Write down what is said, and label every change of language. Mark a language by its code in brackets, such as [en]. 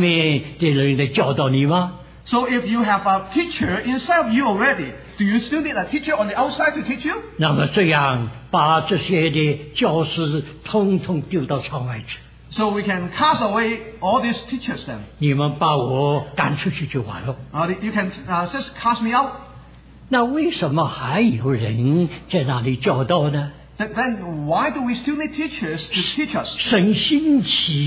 [zh] 你里面已经有一个在凡事上教导你的教师啊，你还用得着外面的人来教导你吗？ [en] So if you have a teacher inside of you already, do you still need a teacher on the outside to teach you? [zh] 那么这样把这些的教师统统丢到窗外去。 [en] So we can cast away all these teachers then. [zh] 你们把我赶出去就完了。 [en] You can just cast me out. [zh] 那为什么还有人在那里教导呢？ [en] Then why do we still need teachers to teach us?